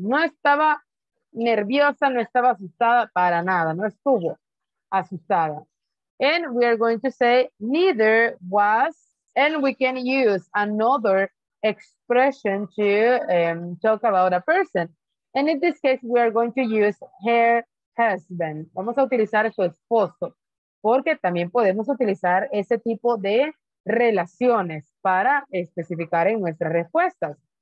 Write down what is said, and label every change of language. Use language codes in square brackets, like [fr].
[es] No estaba nerviosa, no estaba asustada para nada. No estuvo asustada. [en] And we are going to say, neither was, and we can use another expression to talk about a person. And in this case, we are going to use her husband. [es] Vamos a utilizar su esposo, porque también podemos utilizar ese tipo de relaciones para especificar en nuestras respuestas.